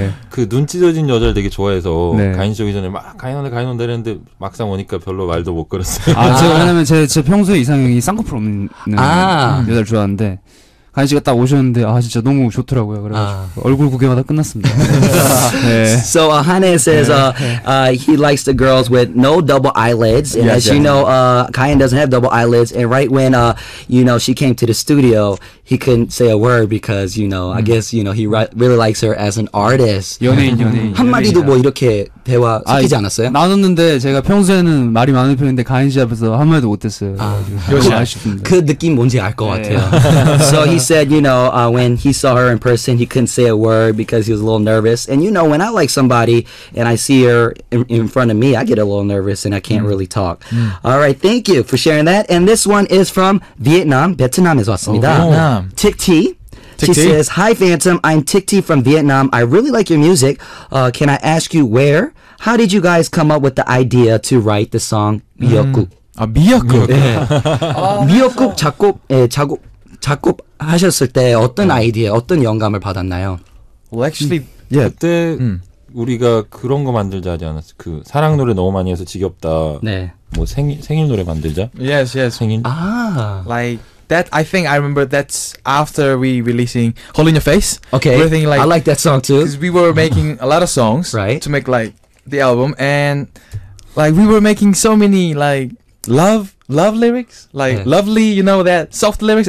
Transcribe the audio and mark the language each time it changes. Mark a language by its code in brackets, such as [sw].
[ko] 그 눈 찢어진 여자를 되게 좋아해서 네. 가인 씨 오기 전에 막 가인 온다 했는데 막상 오니까 별로 말도 못 걸었어요. 제가 왜냐면 제 평소에 이상형이 쌍꺼풀 없는 여자를 좋아하는데 가인 씨가 딱 오셨는데 아 진짜 너무 좋더라고요. 그래서 얼굴 구경하다 끝났습니다. 네. [en] So Hane says he likes the girls with no double eyelids. And as you know, Kaiyan doesn't have double eyelids. And right when you know she came to the studio, he couldn't say a word because you know I guess you know he really likes her as an artist. [ko] 연예인. 한마디도 뭐 이렇게 대화 섞이지 않았어요? 나눴는데 제가 평소에는 말이 많은 편인데 가인 씨 앞에서 한마디도 못했어요. 아쉽습니다. 그 느낌 뭔지 알 것 같아요. [en] So he said, you know, when he saw her in person, he couldn't say a word because he was a little nervous. And you know, when I like somebody and I see her in front of me, I get a little nervous and I can't really talk. All right, thank you for sharing that. And this one is from Vietnam. [ko] 베트남에 왔습니다. Tick T. [en] She says, Hi Phantom, I'm Tick T from Vietnam. I really like your music. Can I ask you where? How did you guys come up with the idea to write the song 미역국? [ko] 아, 미역국. 미역국 작곡 하셨을 때 어떤 아이디어, 어떤 영감을 받았나요? [en] Well, actually, [ko] 그때 우리가 그런 거 만들자 하지 않았어? 그 사랑 노래 너무 많이 해서 지겹다. 네. 뭐 생일 노래 만들자? [en] Yes. [ko] 생일. [en] Like that, I think I remember that's after we releasing Hole in Your Face. Okay. We're thinking like, I like that song too. Because we were making a lot of songs right. to make like the album. And like we were making so many like love lyrics, like lovely, you know, that soft lyrics.